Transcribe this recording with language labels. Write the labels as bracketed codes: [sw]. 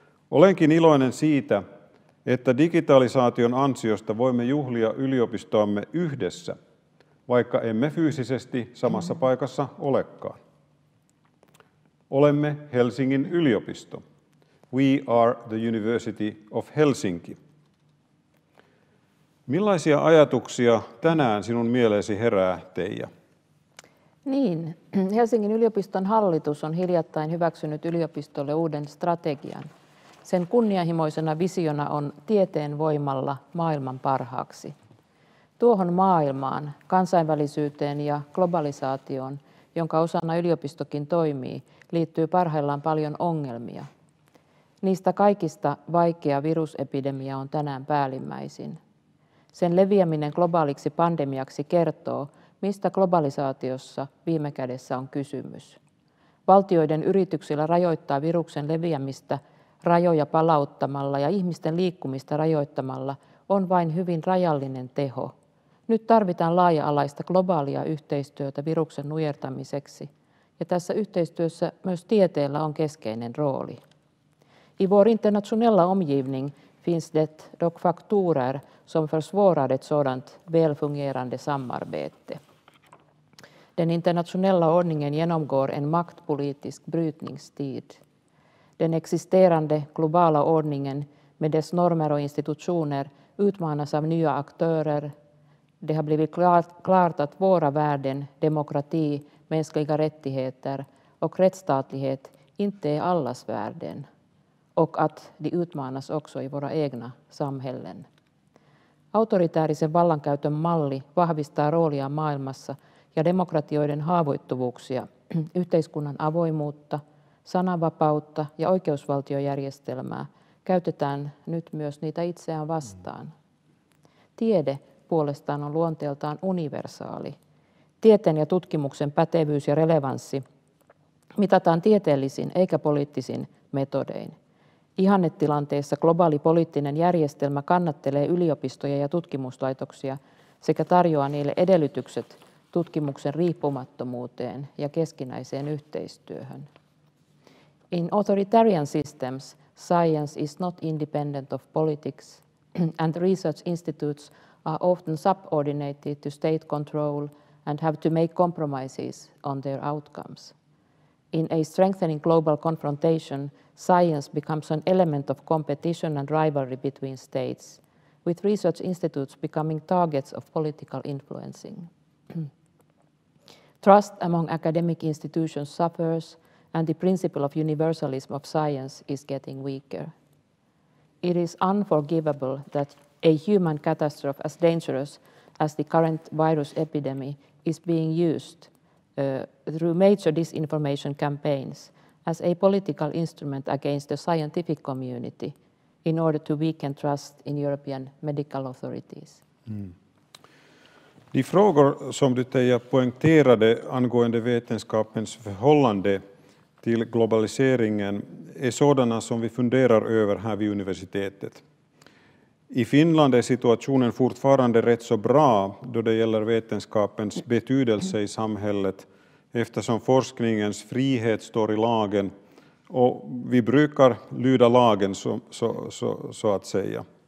[fi] Olenkin iloinen siitä, että digitalisaation ansiosta voimme juhlia yliopistoamme yhdessä, vaikka emme fyysisesti samassa paikassa olekaan. Olemme Helsingin yliopisto. [en] We are the University of Helsinki. [fi] Millaisia ajatuksia tänään sinun mieleesi herää, Teija? Niin, Helsingin yliopiston hallitus on hiljattain hyväksynyt yliopistolle uuden strategian. Sen kunnianhimoisena visiona on tieteen voimalla maailman parhaaksi. Tuohon maailmaan, kansainvälisyyteen ja globalisaatioon, jonka osana yliopistokin toimii, liittyy parhaillaan paljon ongelmia. Niistä kaikista vaikea virusepidemia on tänään päällimmäisin. Sen leviäminen globaaliksi pandemiaksi kertoo, mistä globalisaatiossa viime kädessä on kysymys. Valtioiden yrityksillä rajoittaa viruksen leviämistä rajoja palauttamalla ja ihmisten liikkumista rajoittamalla on vain hyvin rajallinen teho. Nyt tarvitaan laaja-alaista globaalia yhteistyötä viruksen nujertamiseksi, ja tässä yhteistyössä myös tieteellä on keskeinen rooli. [sv] I vår internationella omgivning finns det dock faktorer som försvårar ett sådant välfungerande samarbete. Den internationella ordningen genomgår en maktpolitisk brytningstid. Den existerande globala ordningen med dess normer och institutioner utmanas av nya aktörer. Det har blivit klart att våra värden, demokrati, mänskliga rättigheter och rättsstatlighet inte är allas värden. Och att de utmanas också i våra egna samhällen. [fi] Autoritäärisen vallankäytön malli vahvistaa roolia maailmassa ja demokratioiden haavoittuvuuksia, yhteiskunnan avoimuutta, sananvapautta ja oikeusvaltiojärjestelmää käytetään nyt myös niitä itseään vastaan. Tiede puolestaan on luonteeltaan universaali. Tieteen ja tutkimuksen pätevyys ja relevanssi mitataan tieteellisin eikä poliittisin metodein. Ihannetilanteessa globaali poliittinen järjestelmä kannattelee yliopistoja ja tutkimuslaitoksia sekä tarjoaa niille edellytykset tutkimuksen riippumattomuuteen ja keskinäiseen yhteistyöhön. [en] In authoritarian systems, science is not independent of politics, and research institutes are often subordinated to state control and have to make compromises on their outcomes. In a strengthening global confrontation, science becomes an element of competition and rivalry between states, with research institutes becoming targets of political influencing. Trust among academic institutions suffers, and the principle of universalism of science is getting weaker. It is unforgivable that a human catastrophe as dangerous as the current virus epidemic is being used through major disinformation campaigns as a political instrument against the scientific community in order to weaken trust in European medical authorities. [sv] De frågor som du Teija poängterade angående vetenskapens förhållande till globaliseringen är sådana som vi funderar över här vid universitetet. I Finland är situationen fortfarande rätt så bra då det gäller vetenskapens betydelse i samhället, eftersom forskningens frihet står i lagen och vi brukar lyda lagen så att säga.